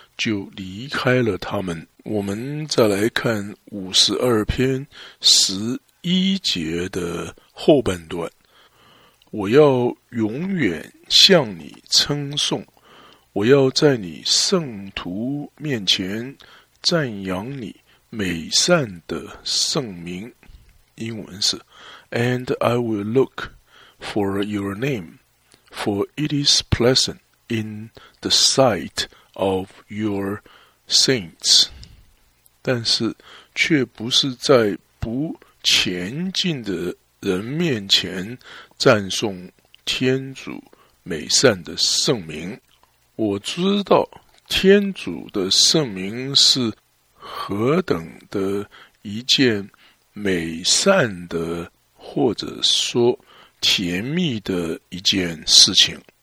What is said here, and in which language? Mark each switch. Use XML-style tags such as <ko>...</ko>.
<zh>就离开了他们。我们再来看52篇11节的后半段，我要永远向你称颂，我要在你圣徒面前赞扬你美善的圣名。英文是</zh> <en>And I will look for your name, for it is pleasant in the sight of your saints.</en> <zh>但是却不是在不前进的人面前赞颂天主美善的圣名。我知道天主的圣名是何等的一件美善的，或者说甜蜜的一件事情。</zh>